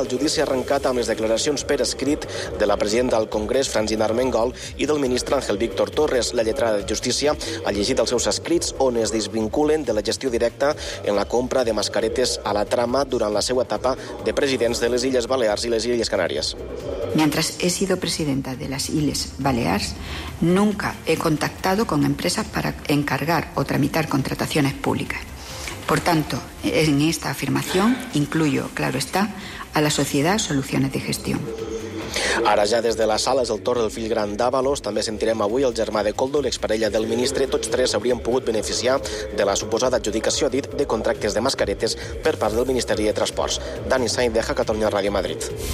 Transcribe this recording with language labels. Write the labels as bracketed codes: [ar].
[ca] El judici ha arrencat amb les declaracions per escrit de la presidenta del Congrés, Francina Armengol, i del ministre Ángel Víctor Torres. La lletrada de justícia ha llegit els seus escrits on es desvinculen de la gestió directa en la compra de mascaretes a la trama durant la seva etapa de presidents de les Illes Balears i les Illes Canàries. [es] Mientras he sido presidenta de las Illes Balears, nunca he contactado con empresas para encargar o tramitar contrataciones públicas. Por tanto, en esta afirmación incluyo, claro está, a la sociedad Soluciones de Gestión. [ca] Ara ja des de la sala és el torn del fill gran d'Ábalos. També sentirem avui el germà de Coldo i l'exparella del ministre. Tots tres haurien pogut beneficiar de la suposada adjudicació, dit, de contractes de mascaretes per part del Ministeri de Transports. Dani Sainz, deja Catalunya Ràdio, Madrid.